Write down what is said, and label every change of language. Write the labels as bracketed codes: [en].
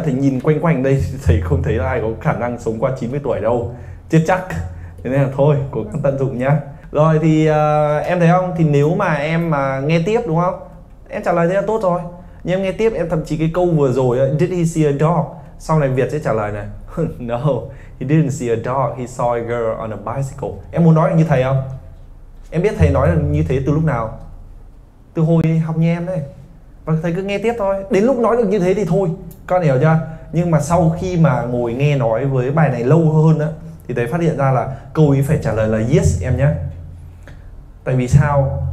[vi] Thầy nhìn quanh quanh đây thầy không thấy là ai có khả năng sống qua 90 tuổi đâu. Chết chắc. Thế nên là thôi, cố gắng tận dụng nhá. Rồi thì em thấy không? Thì nếu mà em mà nghe tiếp đúng không? Em trả lời thế là tốt rồi. Nhưng em nghe tiếp, em thậm chí cái câu vừa rồi [en] did he see a dog? [vi] Sau này Việt sẽ trả lời này. [en] No, he didn't see a dog, he saw a girl on a bicycle. [vi] Em muốn nói như thầy không? Em biết thầy nói là như thế từ lúc nào? Từ hồi học như em đấy. Và thầy cứ nghe tiếp thôi. Đến lúc nói được như thế thì thôi. Con hiểu chưa? Nhưng mà sau khi mà ngồi nghe nói với bài này lâu hơn á, thì thầy phát hiện ra là câu ý phải trả lời là yes em nhé. Tại vì sao?